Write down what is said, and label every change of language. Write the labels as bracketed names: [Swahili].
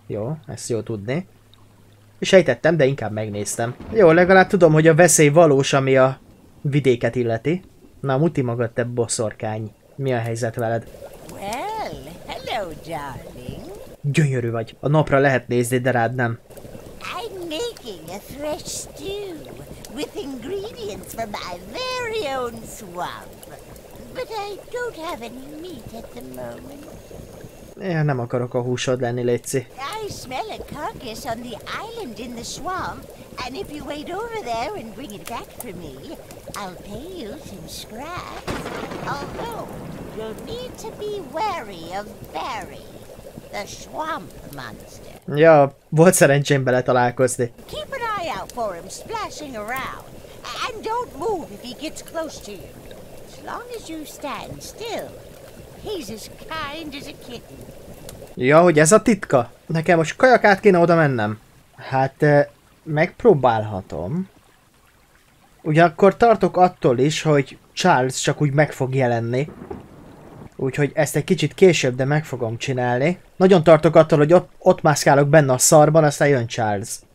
[Hungarian] Jó, ezt jó tudni. Sejtettem, de inkább megnéztem. Jó, legalább tudom, hogy a veszély valós, ami a vidéket illeti. Na, muti magad, te boszorkány. Mi a helyzet veled? [English] Well, hello, darling. [Hungarian] Gyönyörű vagy. A napra lehet nézni, de rád nem. [English] I'm making a fresh stew with ingredients for my very own swamp. But I don't have any meat at the moment. [Hungarian] Én nem akarok a húsod lenni, léci. [English] I smell a carcass on the island in the swamp, and if you wait over there and bring it back for me, I'll pay you some scraps. Although, you'll need to be wary of Barry, the swamp monster. [Hungarian] Ja, volt szerencsém bele találkozni. [English] Keep an eye out for him splashing around, and don't move if he gets close to you. As long as you stand still. He's as kind as a kitten. [Hungarian] Ja, hogy ez a titka? Nekem most kajakát kéne oda mennem. Hát, megpróbálhatom. Ugyanakkor tartok attól is, hogy Charles csak úgy meg fog jelenni. Úgyhogy ezt egy kicsit később, de meg fogom csinálni. Nagyon tartok attól, hogy ott mászkálok benne a szarban, aztán jön Charles.